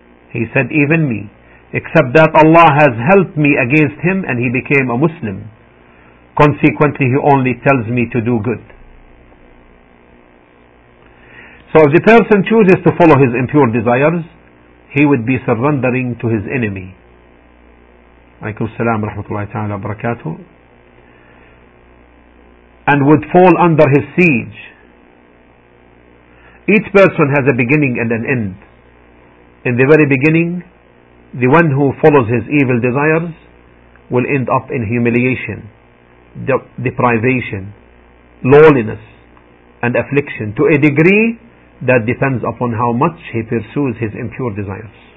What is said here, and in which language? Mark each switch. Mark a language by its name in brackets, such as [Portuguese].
[English] He said, even me, except that Allah has helped me against him and he became a Muslim. Consequently, he only tells me to do good. So if the person chooses to follow his impure desires, he would be surrendering to his enemy. [Arabic] عليكم السلام ورحمة الله تعالى وبركاته. [English] And would fall under his siege. Each person has a beginning and an end. In the very beginning, the one who follows his evil desires will end up in humiliation, deprivation, loneliness, and affliction to a degree that depends upon how much he pursues his impure desires.